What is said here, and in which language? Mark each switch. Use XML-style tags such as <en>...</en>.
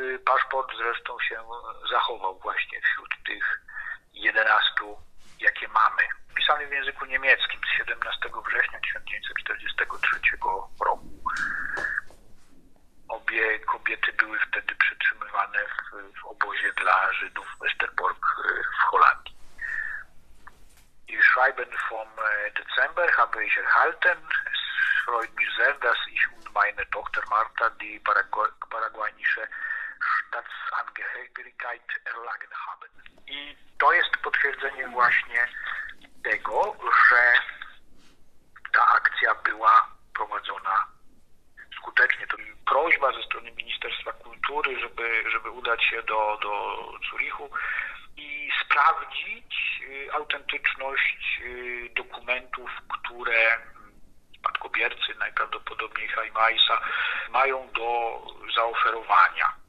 <pl>Paszport zresztą się zachował właśnie wśród tych 11, jakie mamy. Pisany w języku niemieckim z 17 września 1943 roku. Obie kobiety były wtedy przetrzymywane w obozie dla Żydów w Westerbork w Holandii.</pl> <de>Ihr Schreiben vom Dezember habe ich erhalten. Es freut mich sehr, dass ich und meine Tochter Marta die paraguayische Staatsangehörigkeit erlangen haben.</de> <pl>I to jest potwierdzenie właśnie tego, że ta akcja była prowadzona skutecznie. To prośba ze strony Ministerstwa Kultury, żeby udać się do Zurichu i sprawdzić autentyczność dokumentów, które spadkobiercy, najprawdopodobniej Chaim Eisa, mają do zaoferowania.</pl>